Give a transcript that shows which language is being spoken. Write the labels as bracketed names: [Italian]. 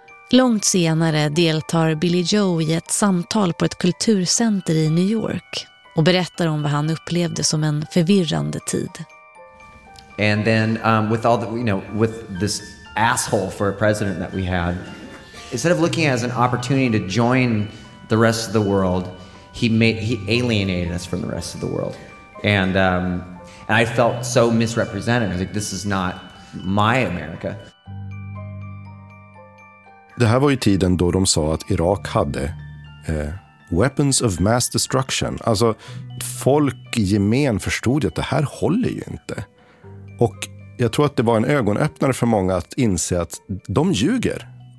[Swedish] Långt senare deltar Billy Joe i ett samtal på ett kulturcenter i New York och berättar om vad han upplevde som en förvirrande tid. [English] And then with all the, you know, with this asshole for a president that we had, instead of looking at it as an opportunity to join the rest of the world, he alienated us from the rest of the world. And I felt so misrepresented. I was like, this is not my America. [Swedish] Det här var ju tiden då de sa att Irak hade [English] weapons of mass destruction. [Swedish] Alltså, folk i gemen förstod ju att det här håller ju inte. Och jag tror att det var en ögonöppnare för många att inse att de ljuger.